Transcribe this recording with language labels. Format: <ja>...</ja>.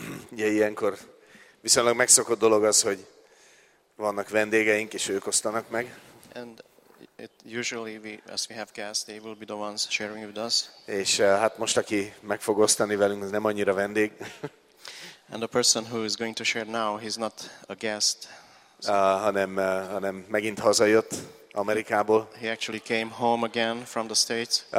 <hu>Ugye ilyenkor viszonylag megszokott dolog az, hogy vannak vendégeink, és ők osztanak meg.</hu> <en>And it usually we, as we have guests, they will be the ones sharing with us.</en> <hu>És hát most, aki meg fog osztani velünk, az nem annyira vendég.</hu> <en>And the person who is going to share now, he's not a guest.</en> <hu>Hanem megint hazajött Amerikából.</hu> <en>He actually came home again from the States.</en>